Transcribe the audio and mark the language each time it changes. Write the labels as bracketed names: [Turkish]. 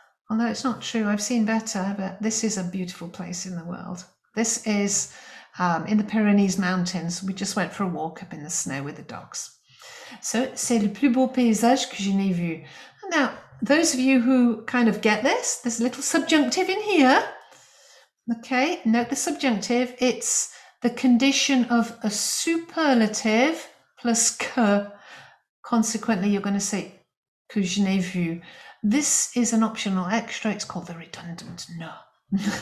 [English] Although it's not true, I've seen better, but this is a beautiful place in the world. This is in the Pyrenees Mountains. We just went for a walk up in the snow with the dogs. [French] So, c'est le plus beau paysage que je n'ai vu. [English] Now, those of you who kind of get this, there's a little subjunctive in here. Okay, note the subjunctive. It's the condition of a superlative plus que. Consequently, you're going to say [French] que je n'ai vu. [English] This is an optional extra. It's called the redundant ne.